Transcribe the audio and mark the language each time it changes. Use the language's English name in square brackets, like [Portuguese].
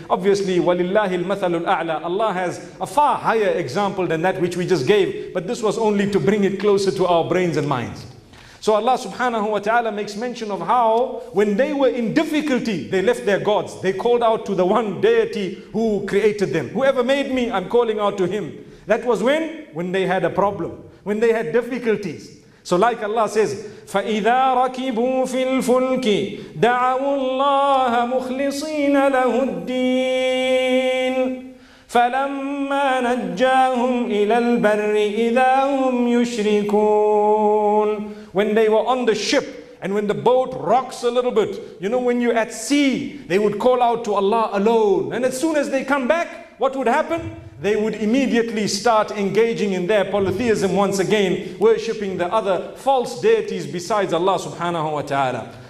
[English] Obviously, [Arabic] وَلِلَّهِ الْمَثَلُ الْأَعْلَى. [English] Allah has a far higher example than that which we just gave. But this was only to bring it closer to our brains and minds. So Allah subhanahu wa ta'ala makes mention of how when they were in difficulty, they left their gods. They called out to the one deity who created them. Whoever made me, I'm calling out to him. That was when they had a problem, when they had difficulties. So like Allah says, [Arabic] فَإِذَا رَكِبُوا فِي الْفُلْكِ دَعَوُوا اللَّهَ مُخْلِصِينَ لَهُ الدِّينَ فَلَمَّا نَجَّاهُمْ إِلَى الْبَرِّ إِذَا هُمْ يُشْرِكُونَ. [English] When they were on the ship and when the boat rocks a little bit, you know, when you're at sea, they would call out to Allah alone. And as soon as they come back, what would happen? They would immediately start engaging in their polytheism once again, worshipping the other false deities besides Allah subhanahu wa ta'ala.